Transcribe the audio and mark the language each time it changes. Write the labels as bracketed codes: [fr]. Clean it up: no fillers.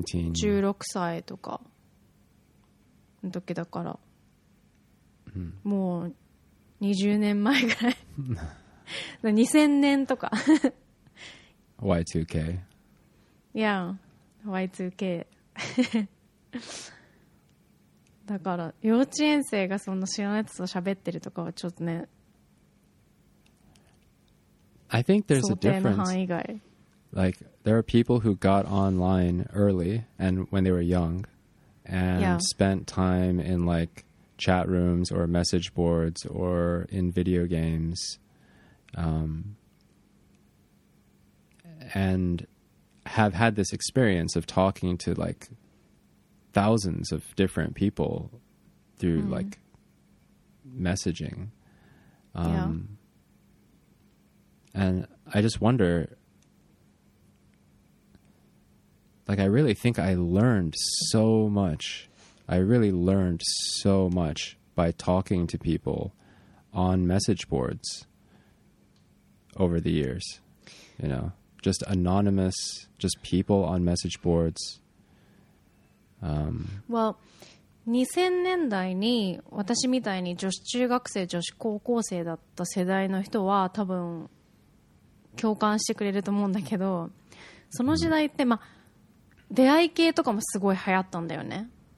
[ja] 16歳とかの時だから、もう20年前ぐらい2000年とか [en] Y2K [ja] Yeah Y2K だから幼稚園生がそんな知らないやつと喋ってるとかはちょっとね、 [en] I think there's a difference。 [ja] 想定の範囲外、 [en] Like there are people who got online early and when they were young and、yeah. spent time in like chat rooms or message boards or in video games、and have had this experience of talking to like thousands of different people through、like messaging、and I just wonder, like, I really think I learned so much, I really learned so much by talking to people on message boards over the years, you know, just anonymous, just people on message boards. [ja] Well, 2000年代に私みたいに女子中学生、女子高校生だった世代の人は多分共感してくれると思うんだけど、その時代って、出会い系とかもすごい流行ったんだよね。